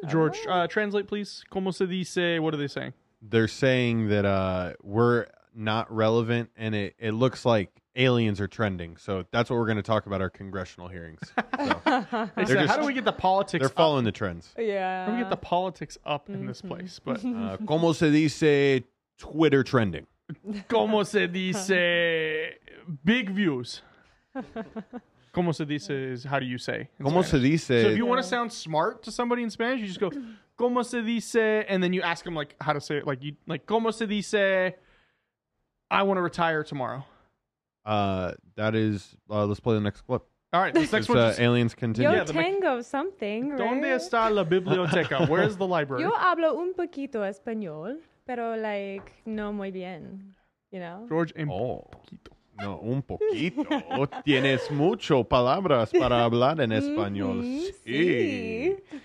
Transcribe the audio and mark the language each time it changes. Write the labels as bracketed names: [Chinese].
[English] George, translate, please. [Spanish] ¿Cómo se dice? [English] What are they saying? They're saying that we're not relevant, and it looks like aliens are trending. So that's what we're going to talk about our congressional hearings. So, how do we get the politics up? They're following the trends. Yeah. How do we get the politics up in this place? But [Spanish] ¿Cómo se dice [English] Twitter trending? [Spanish] ¿Cómo se dice [English] big views? [Spanish] ¿Cómo se dice [English] is how do you say? [Spanish] ¿Cómo se dice? [English] So if you want to sound smart to somebody in Spanish, you just go, [Spanish] ¿Cómo se dice? [English] And then you ask them, like, how to say it. Like, [Spanish] ¿Cómo se dice? [English] I want to retire tomorrow. That is, let's play the next clip. All right, this next one. Aliens continue. [Spanish] Yo tengo [English] something, right? [Spanish] ¿Dónde está la biblioteca? [English] Where's the library? [Spanish] Yo hablo un poquito español, pero like, no muy bien, [English] you know? [Spanish] George, poquito. No, un poquito. Tienes mucho palabras para hablar en español. Sí.